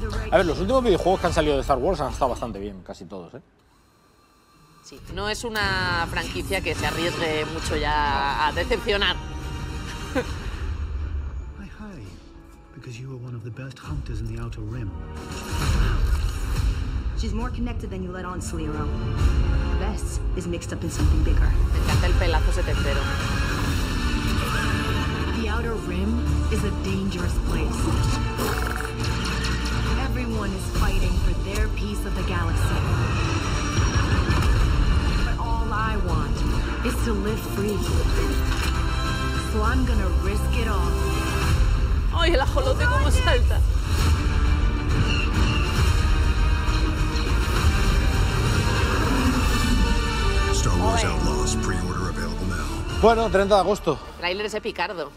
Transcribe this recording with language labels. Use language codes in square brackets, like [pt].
[es] A ver, los últimos videojuegos que han salido de Star Wars han estado bastante bien, casi todos, ¿eh? Sí, no es una franquicia que se arriesgue mucho ya a decepcionar. [en] I hurry, because you were one of the best hunters in the Outer Rim. She's more connected than you let on, Saliro. Bess is mixed up in something bigger. [es] Me encanta el pelazo setentero. [en] The Outer Rim is a dangerous place. Everyone is fighting for their piece of the galaxy. But all I want is to live free. So I'm gonna risk it all. [es] ¡Ay, el ajolote cómo salta! Bueno, 30 de agosto. El trailer es epicardo.